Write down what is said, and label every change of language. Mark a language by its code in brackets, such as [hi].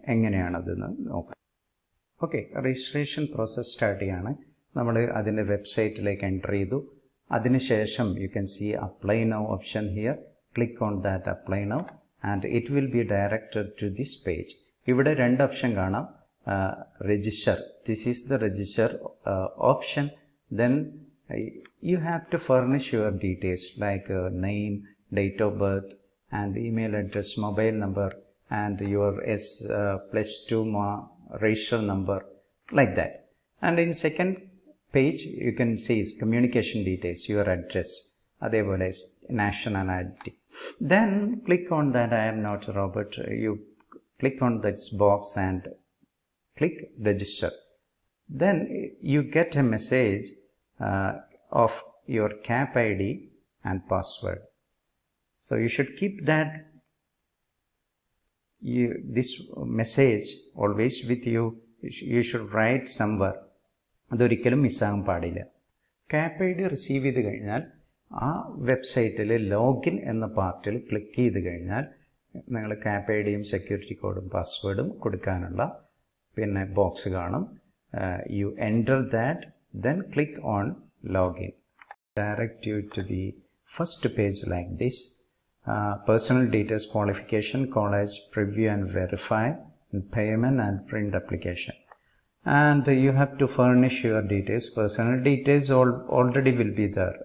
[ml] എങ്ങനെയാണതെന്ന് നോക്കാം. Okay, registration process start ചെയ്യാണ്. നമ്മൾ അതിൻ്റെ വെബ്സൈറ്റിലേക്ക് എൻറ്റർ ചെയ്തു. അതിനുശേഷം [en] You can see apply now option here, click on that apply now and it will be directed to this page. [ml] ഇവിടെ രണ്ട് ഓപ്ഷൻ കാണാം, [en] register. This is the register option. Then you have to furnish your details like name, date of birth, and email address, mobile number, and your plus two racial number, like that. And in second page, you can see is communication details, your address, otherwise nationality. Then click on that I am not a robot. You click on this box and click register. Then you get a message of your CAP ID and password. So you should keep that this message always with you. You should write somewhere. [ml] അതൊരിക്കലും മിസ്സാകാൻ പാടില്ല. CAP ID receive ചെയ്ത് കഴിഞ്ഞാൽ ആ വെബ്സൈറ്റിൽ login എന്ന പാർട്ടിൽ click ചെയ്ത് കഴിഞ്ഞാൽ നിങ്ങൾ CAP IDയും സെക്യൂരിറ്റി കോഡും പാസ്വേഡും കൊടുക്കാനുള്ള പിന്നെ ബോക്സ് കാണും. [en] You enter that then click on login direct you to the first page like this. Personal details, qualification, college preview and verify, payment and print application. And you have to furnish your details. Personal details already will be there.